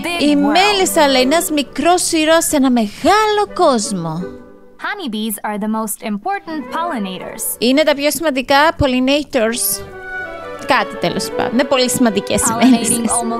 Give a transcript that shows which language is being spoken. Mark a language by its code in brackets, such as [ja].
[el] Η μέλισσα λέει ένας μικρός ήρωας σε ένα μεγάλο κόσμο. [en] Honeybees are the most important pollinators. [el] Είναι τα πιο σημαντικά pollinators. Κάτι τέλος πάντων. Είναι πολύ σημαντικές οι μέλισσες.